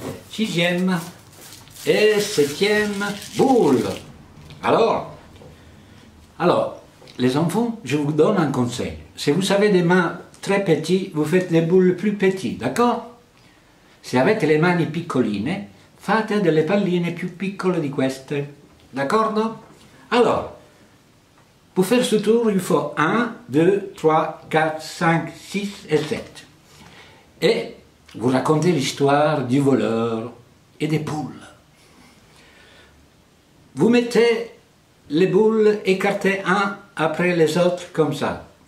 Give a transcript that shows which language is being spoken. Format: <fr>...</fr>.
<fr>Sixième. Et septième boule. Alors, les enfants, je vous donne un conseil. Si vous avez des mains très petites, vous faites des boules plus petites, d'accord?</fr> <it>Si avete le mani piccoline, fate delle palline più piccole di queste, d'accordo?</it> <fr>Alors, pour faire ce tour, il faut 1, 2, 3, 4, 5, 6 et 7. Et vous racontez l'histoire du voleur et des poules. Vous mettez les boules écartées un après les autres comme ça.</fr>